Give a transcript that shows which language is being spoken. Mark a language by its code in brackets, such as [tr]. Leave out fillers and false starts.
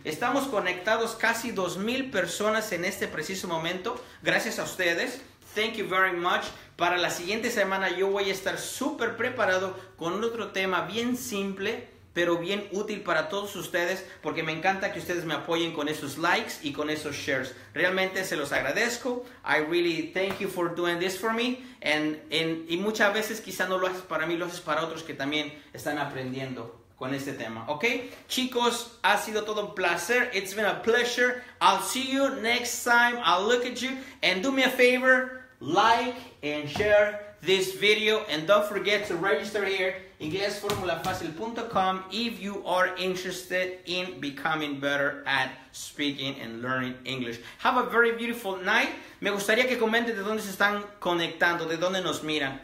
[es] Estamos conectados casi 2,000 personas en este preciso momento, gracias a ustedes. [en] Thank you very much. [es] Para la siguiente semana yo voy a estar súper preparado con otro tema bien simple, pero bien útil para todos ustedes, porque me encanta que ustedes me apoyen con esos likes y con esos shares. Realmente se los agradezco. [en] I really thank you for doing this for me. [es] Y muchas veces quizá no lo haces para mí, lo haces para otros que también están aprendiendo con este tema. ¿Ok? Chicos, ha sido todo un placer. [en] It's been a pleasure. I'll see you next time. I'll look at you. And do me a favor. Like and share this video. And don't forget to register here. inglesformulafacil.com if you are interested in becoming better at speaking and learning English. Have a very beautiful night. [es] Me gustaría que comenten de dónde se están conectando, de dónde nos miran.